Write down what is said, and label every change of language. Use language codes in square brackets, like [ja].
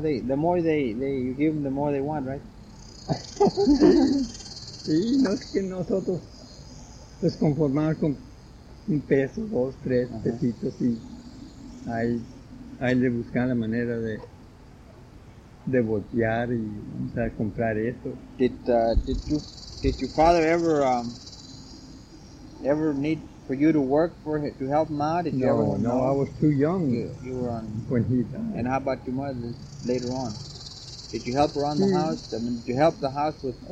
[en] The more you give them, the more they want, right? [es] Sí, no es que nosotros nos conformamos con un peso, dos, tres pesitos, y hay de buscar la manera de voltear y empezar a comprar esto. [en] Did your father ever need for you to work to help him out? No, I was too young. You were on when he died. And how about your mother later on? Did you help around the house? I mean, did you help the house with money?